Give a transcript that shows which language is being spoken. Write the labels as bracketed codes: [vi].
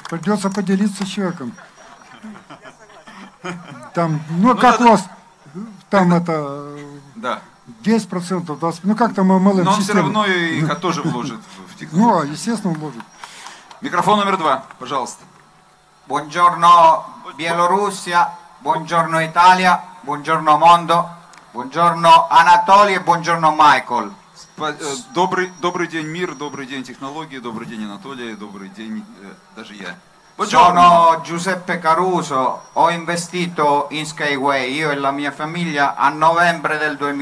[ru] Придется поделиться с человеком. Там, ну, как у вас, там это 10%, 20%, ну как там MLM-система. Но он все равно и тоже вложит в технологию. Ну, естественно, вложит. Микрофон номер два, пожалуйста. [it] Buongiorno Bielorussia, buongiorno Italia, buongiorno mondo, buongiorno Anatoly, buongiorno Michael. [ru] Добрый день, мир, добрый день, технологии, добрый день, Анатолий, добрый день, даже я. [it] Sono Giuseppe Caruso, ho investito in Skyway, io e la mia famiglia, a novembre del